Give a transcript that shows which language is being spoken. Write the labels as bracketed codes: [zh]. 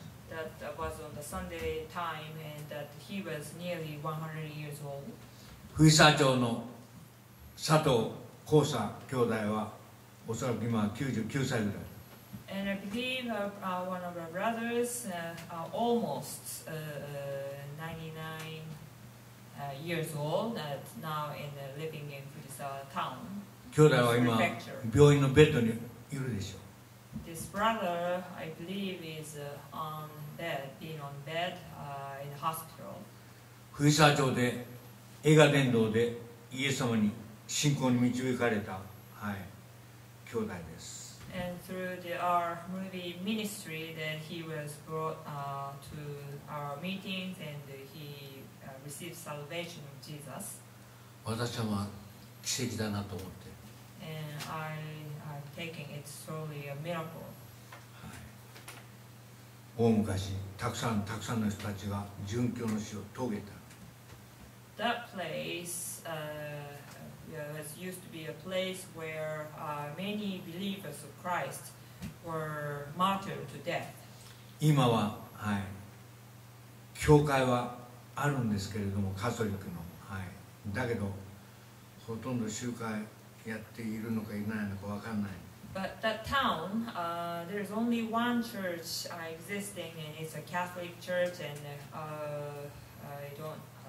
[en] that was on the Sunday time and that he was nearly 100 years old. [ja] 富士山町の佐藤光さん兄弟はおそらく今は99歳ぐらい。 [en] And I believe one of our brothers almost 99 years old that now in living in Fujisawa town. [ja] 兄弟は今病院のベッドにいるでしょう。 [en] This brother, I believe, is on bed, being on bed in the hospital. [ja] 富士山町で映画伝道でイエス様に信仰に導かれた、はい、兄弟です。 [en] And through the, our movie ministry that he was brought to our meetings and he received salvation of Jesus. [ja] 私は奇跡だなと思って。 [en] And I am taking it truly a miracle. [ja] 大昔、たくさんの人たちが殉教の死を遂げた。 [en] That place was used to be a place where many believers of Christ were martyred to death. [ja] 今は、はい、教会はあるんですけれども、カトリックの、はい、だけどほとんど集会やっているのかいないのか分かんない。 [en] But that town, there's only one church existing, and it's a Catholic church, and I don't.